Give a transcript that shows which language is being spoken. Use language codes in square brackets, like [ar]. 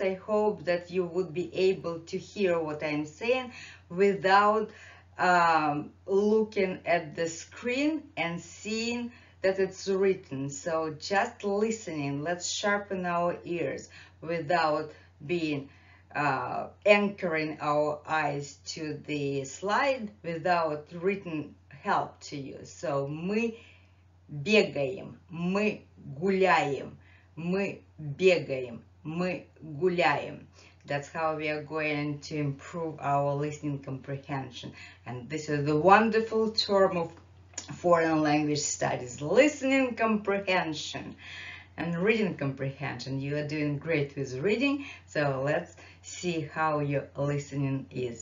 [en] I hope that you would be able to hear what I'm saying without looking at the screen and seeing that it's written. So just listening, let's sharpen our ears without being anchoring our eyes to the slide without written help to you. [ru] So мы бегаем, мы гуляем, мы бегаем, мы гуляем. [en] That's how we are going to improve our listening comprehension. And this is the wonderful term of foreign language studies, listening comprehension and reading comprehension. You are doing great with reading, so let's see how your listening is.